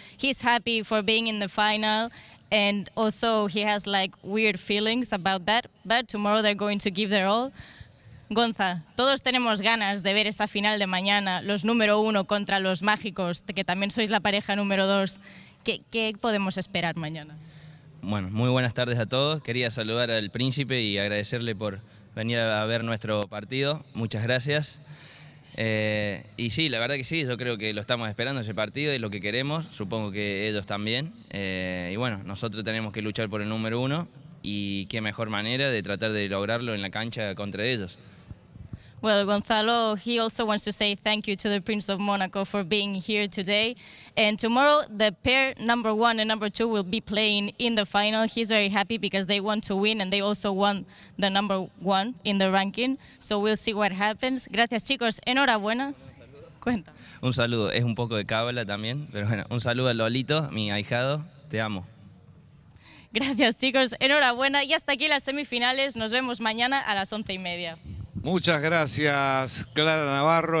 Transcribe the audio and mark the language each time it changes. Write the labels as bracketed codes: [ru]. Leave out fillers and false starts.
[en] He's happy for being in the final and also he has like weird feelings about that, but tomorrow they're going to give their all. [es] Gonza, todos tenemos ganas de ver esa final de mañana, los número uno contra los mágicos, que también sois la pareja número dos. ¿Qué podemos esperar mañana? Bueno, muy buenas tardes a todos. Quería saludar al príncipe y agradecerle por venir a ver nuestro partido. Muchas gracias. Y sí, la verdad que sí, yo creo que lo estamos esperando ese partido y lo que queremos, supongo que ellos también. Y bueno, nosotros tenemos que luchar por el número uno. Y qué mejor manera de tratar de lograrlo en la cancha contra ellos. [en] Well, Gonzalo, he also wants to say thank you to the Prince of Monaco for being here today. And tomorrow, the pair number one and number two will be playing in the final. He's very happy because they want to win and they also want the number one in the ranking. So we'll see what happens. [es] Gracias, chicos. Enhorabuena. Un saludo. Es un poco de cábala también, pero bueno, un saludo a Lolito, mi ahijado. Te amo. Gracias, chicos. Enhorabuena. Y hasta aquí las semifinales. Nos vemos mañana a las 11:30. Muchas gracias, Clara Navarro.